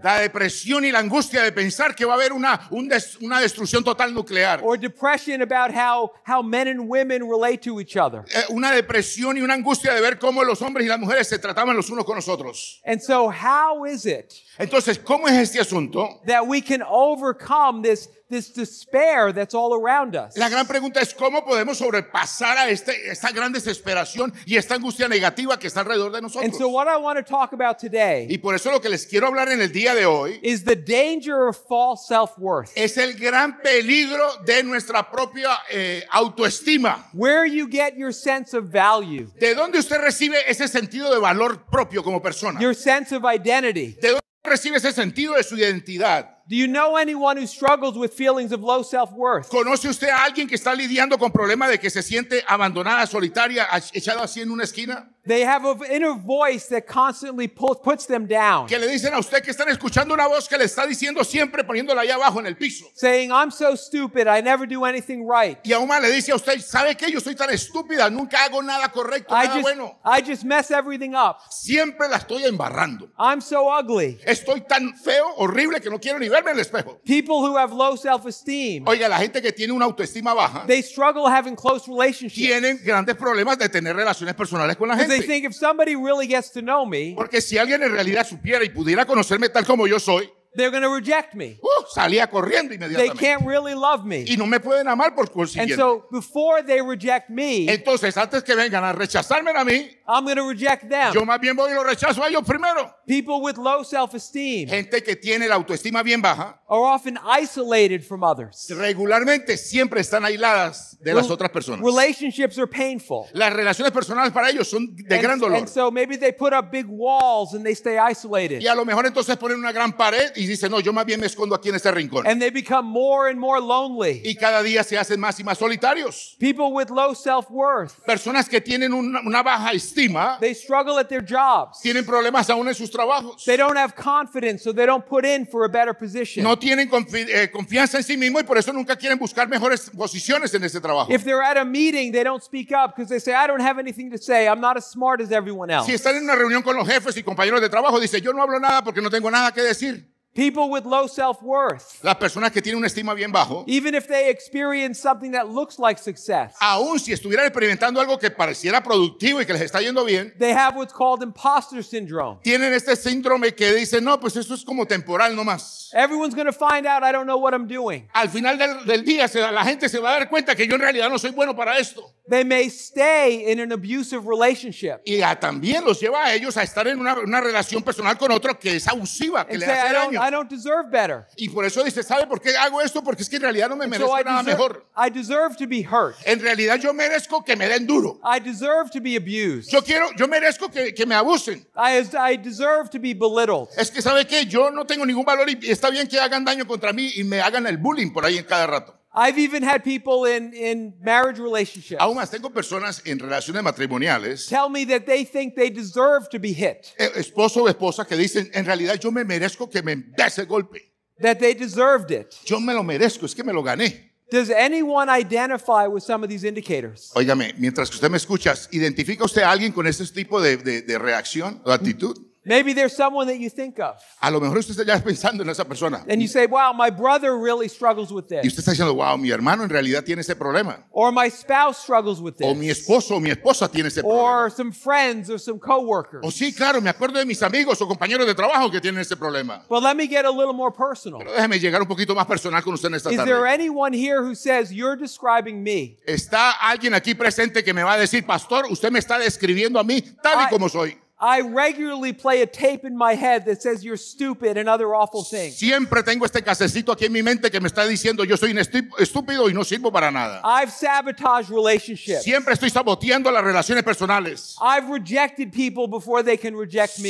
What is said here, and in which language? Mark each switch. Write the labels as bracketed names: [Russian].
[Spanish] La depresión y la angustia de pensar que va a haber una destrucción total nuclear. [English] Or depression about how men and women relate to each other. [Spanish] Una depresión y una angustia de ver cómo los hombres y las mujeres se trataban los unos con los otros. [English] And so how is it? [Spanish] Entonces, ¿cómo es este asunto? [English] That we can overcome this despair that's all around us. [Spanish] La gran pregunta es cómo podemos sobrepasar a esta gran desesperación y esta angustia negativa que está alrededor de nosotros. [English] And so what I want to talk about today, [Spanish] y por eso lo que les quiero hablar en el día de hoy, [English] is the danger of false self-worth. [Spanish] Es el gran peligro de nuestra propia autoestima. [English] Where you get your sense of value. [Spanish] De dónde usted recibe ese sentido de valor propio como persona. [English] Your sense of identity. [Spanish] De dónde recibe ese sentido de su identidad. [English] Do you know anyone who struggles with feelings of low self-worth? [Spanish] ¿Conoce usted a alguien que está lidiando con problema de que se siente abandonada, solitaria, echada así en una esquina? [English] They have an inner voice that constantly puts them down. [Spanish] Que le dicen a usted que están escuchando una voz que le está diciendo siempre poniéndola ahí abajo en el piso. [English] Saying, I'm so stupid, I never do anything right. [Spanish] Y aún más le dice a usted, ¿sabe qué? Yo soy tan estúpida, nunca hago nada correcto, nada bueno. [English] I just mess everything up. [Spanish] Siempre la estoy embarrando. [English] I'm so ugly. [Spanish] Estoy tan feo, horrible, que no quiero ni verme en el espejo. [English] People who have low self-esteem. [Spanish] Oiga, la gente que tiene una autoestima baja. [English] They struggle having close relationships. [Spanish] Tienen grandes problemas de tener relaciones personales con la gente. [English] They think if somebody really gets to know me, [Spanish] porque si alguien en realidad supiera y pudiera conocerme tal como yo soy, [English] they're going to reject me. [Spanish] Salía corriendo inmediatamente. [English] They can't really love me. [Spanish] Y no me pueden amar por consiguiente. [English] And so before they reject me, [Spanish] entonces antes que vengan a rechazarme a mí, [English] I'm going to reject them. [Spanish] Yo más bien voy y lo rechazo a ellos primero. [English] People with low self-esteem, [Spanish] gente que tiene la autoestima bien baja, [English] are often isolated from others. [Spanish] Regularmente siempre están aisladas de las otras personas. [English] Relationships are painful. [Spanish] Las relaciones personales para ellos son de gran dolor. [English] And so maybe they put up big walls and they stay isolated. [Spanish] Y a lo mejor entonces ponen una gran pared y dicen, no, yo más bien me escondo aquí en este rincón. [English] And they become more and more lonely. [Spanish] Y cada día se hacen más y más solitarios. [English] People with low self-worth. [Spanish] Personas que tienen una baja estima. [English] They struggle at their jobs. [Spanish] Tienen problemas aún en sus trabajos. [English] They don't have confidence, so they don't put in for a better position. [Spanish] No tienen confianza en sí mismo y por eso nunca quieren buscar mejores posiciones en ese trabajo. [English] If they're at a meeting, they don't speak up because they say, I don't have anything to say. I'm not as smart as everyone else. [Spanish] Si están en una reunión con los jefes y compañeros de trabajo, dice, yo no hablo nada porque no tengo nada que decir. [English] People with low self-worth. [Spanish] Las personas que tienen una estima bien bajo. [English] Even if they experience something that looks like success. [Spanish] Aún si estuvieran experimentando algo que pareciera productivo y que les está yendo bien. [English] They have what's called imposter syndrome. [Spanish] Tienen este síndrome que dicen, no, pues esto es como temporal nomás. [English] Everyone's going to find out I don't know what I'm doing. [Spanish] Al final del día, la gente se va a dar cuenta que yo en realidad no soy bueno para esto. [English] They may stay in an abusive relationship. [Spanish] Y también los lleva a ellos a estar en una relación personal con otro que es abusiva, que le hace daño. [English] I don't deserve better. [Spanish] Y por eso dice, ¿sabe por qué hago esto? Porque es que en realidad no me merezco nada mejor. [English] I deserve to be hurt. [Spanish] En realidad yo merezco que me den duro. [English] I deserve to be abused. [Spanish] Yo merezco que me abusen. [English] I deserve to be belittled. [Spanish] Es que ¿sabe qué? Yo no tengo ningún valor y está bien que hagan daño contra mí y me hagan el bullying por ahí en cada rato. [English] I've even had people in marriage relationships. [Spanish] Aún más, tengo personas en relaciones matrimoniales. [English] Tell me that they think they deserve to be hit. [Spanish] Esposo o esposa que dicen, en realidad yo me merezco que me dé ese golpe. [English] That they deserved it. [Spanish] Yo me lo merezco, es que me lo gané. [English] Does anyone identify with some of these indicators? [Spanish] Óigame, mientras que usted me escucha, ¿identifica usted a alguien con ese tipo de reacción o actitud? [English] Maybe there's someone that you think of. [Spanish] A lo mejor usted está ya pensando en esa persona. [English] And you say, wow, my brother really struggles with this. [Spanish] Y usted está diciendo, wow, mi hermano en realidad tiene ese problema. [English] Or my spouse struggles with this. [Spanish] O mi esposo o mi esposa tiene ese [English] or Or some friends or some coworkers. [Spanish] O sí, claro, me acuerdo de mis amigos o compañeros de trabajo que tienen ese problema. [English] But let me get a little more personal. [Spanish] Pero déjeme llegar un poquito más personal con usted en esta tarde. [English] Is there anyone here who says you're describing me? [Spanish] ¿Está alguien aquí presente que me va a decir, pastor, usted me está describiendo a mí tal y como soy? [English] I regularly play a tape in my head that says you're stupid and other awful things. [Spanish] Siempre tengo este casecito aquí en mi mente que me está diciendo yo soy estúpido y no sirvo para nada. [English] I've sabotaged relationships. [Spanish] Siempre estoy saboteando las relaciones personales. [English] I've rejected people before they can reject me.